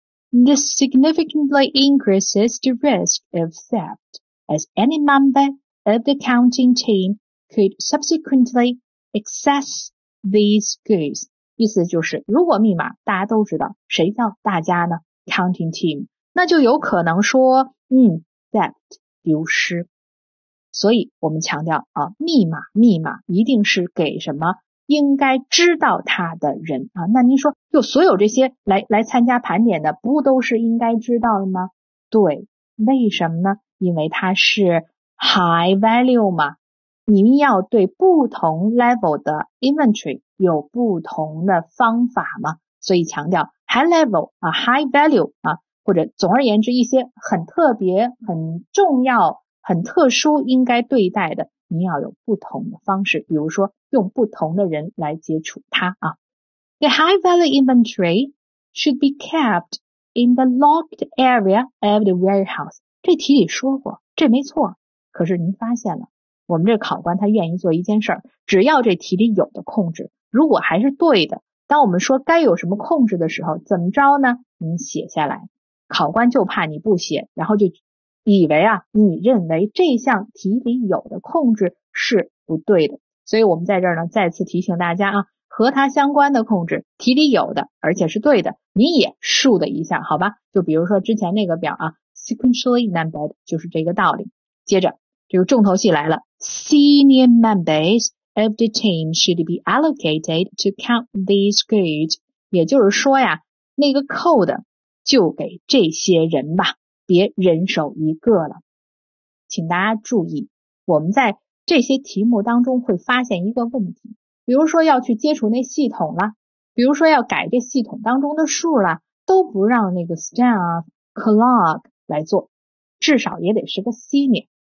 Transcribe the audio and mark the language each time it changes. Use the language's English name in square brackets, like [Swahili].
[English] This significantly increases the risk of theft, as any member of the counting team could subsequently access these goods. [Chinese] 意思就是如果密码大家都知道，谁叫大家呢？ counting team, 那就有可能说theft, 流失。所以我们强调啊，密码一定是给什么应该知道它的人啊。那您说就所有这些来参加盘点的不都是应该知道的吗？对，为什么呢？因为它是 high value 嘛，您要对不同 level 的 inventory 有不同的方法嘛，所以强调 high level 啊， high value 啊，或者总而言之一些很特别很重要很特殊应该对待的，你要有不同的方式，比如说用不同的人来接触它啊。 [English] The high value inventory should be kept in the locked area of the warehouse. [Chinese] 这题里说过，这没错。可是您发现了，我们这考官他愿意做一件事儿，只要这题里有的控制，如果还是对的，当我们说该有什么控制的时候，怎么着呢？您写下来，考官就怕你不写，然后就以为啊，你认为这项题里有的控制是不对的。所以我们在这儿呢再次提醒大家啊，和它相关的控制题里有的而且是对的，你也竖的一下好吧。就比如说之前那个表啊， [English] sequentially numbered, [Chinese] 就是这个道理。接着这个重头戏来了， [English] senior members of the team should be allocated to count these goods. [Chinese] 也就是说呀，那个 code 就给这些人吧，别人手一个了。请大家注意，我们在这些题目当中会发现一个问题，比如说要去接触那系统了，比如说要改这系统当中的数了，都不让那个 staff clerk 来做，至少也得是个 senior。